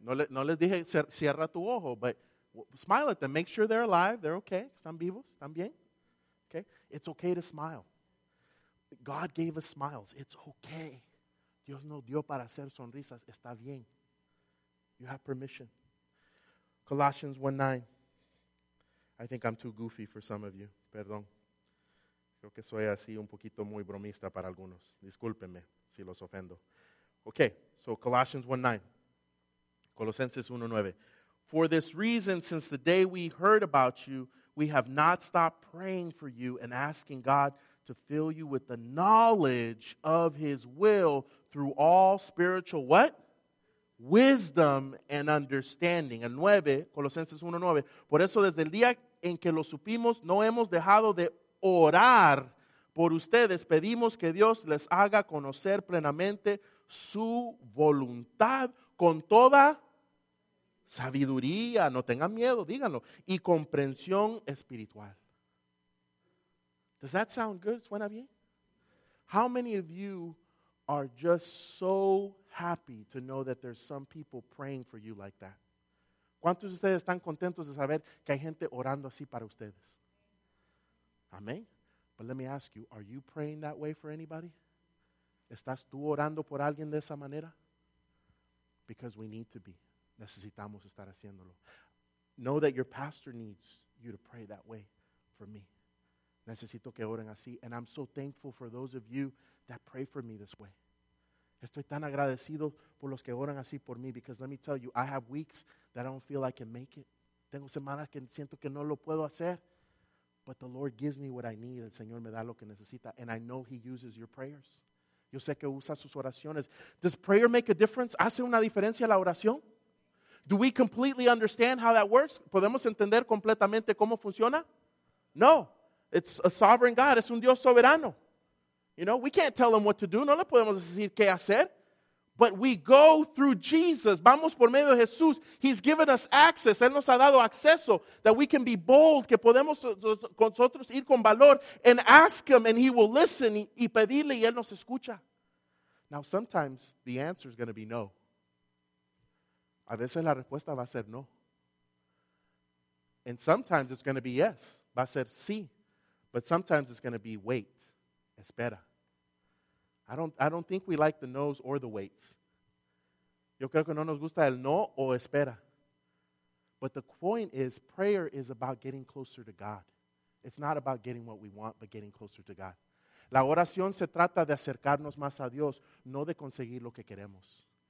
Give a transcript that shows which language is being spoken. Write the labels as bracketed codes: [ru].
[es] No les dije cierra tu ojo, [en] but smile at them. Make sure they're alive. They're okay. [es] Están vivos. Están bien. [en] Okay? It's okay to smile. God gave us smiles. It's okay. [es] Dios nos dio para hacer sonrisas. Está bien. [en] You have permission. Colossians 1:9. I think I'm too goofy for some of you. [es] Perdón. Creo que soy así un poquito muy bromista para algunos. Discúlpenme si los ofendo. [en] Okay, so Colossians 1:9. [es] Colosenses 1:9. [en] For this reason, since the day we heard about you, we have not stopped praying for you and asking God to fill you with the knowledge of his will through all spiritual what? wisdom and understanding. [es] El 9, Colosenses 1:9. Por eso desde el día en que lo supimos, no hemos dejado de orar por ustedes. Pedimos que Dios les haga conocer plenamente su voluntad con toda sabiduría. No tengan miedo, díganlo. Y comprensión espiritual. [en] Does that sound good? [es] ¿Suena bien? [en] How many of you are just so happy to know that there's some people praying for you like that? [es] ¿Cuántos de ustedes están contentos de saber que hay gente orando así para ustedes? Amén. [en] But let me ask you, are you praying that way for anybody? [es] ¿Estás tú orando por alguien de esa manera? [en] Because we need to be. [es] Necesitamos estar haciéndolo. [en] Know that your pastor needs you to pray that way for me. [es] Necesito que oren así. [en] And I'm so thankful for those of you that pray for me this way. [es] Estoy tan agradecido por los que oran así por mí. [en] Because let me tell you, I have weeks that I don't feel I can make it. [es] Tengo semanas que siento que no lo puedo hacer. [en] But the Lord gives me what I need. [es] El Señor me da lo que necesita. [en] And I know He uses your prayers. [es] Yo sé que usa sus oraciones. [en] Does prayer make a difference? [es] ¿Hace una diferencia la oración? [en] Do we completely understand how that works? [es] ¿Podemos entender completamente cómo funciona? [en] No. It's a sovereign God. [es] Es un Dios soberano. [en] You know, we can't tell Him what to do. [es] No le podemos decir qué hacer. [en] But we go through Jesus. [es] Vamos por medio de Jesús. [en] He's given us access. [es] Él nos ha dado acceso [en] that we can be bold, [es] que podemos nosotros ir con valor [en] and ask Him and He will listen [es] y pedirle y Él nos escucha. [en] Now, sometimes the answer is going to be no. [es] A veces la respuesta va a ser no. [en] And sometimes it's going to be yes. [es] Va a ser sí. [en] But sometimes it's going to be wait. [es] Espera. [en] I don't think we like the no's or the waits. [es] Yo creo que no nos gusta el no o espera. [en] But the point is, prayer is about getting closer to God. It's not about getting what we want, but getting closer to God. [es] La oración se trata de acercarnos más a Dios, no de conseguir lo que queremos.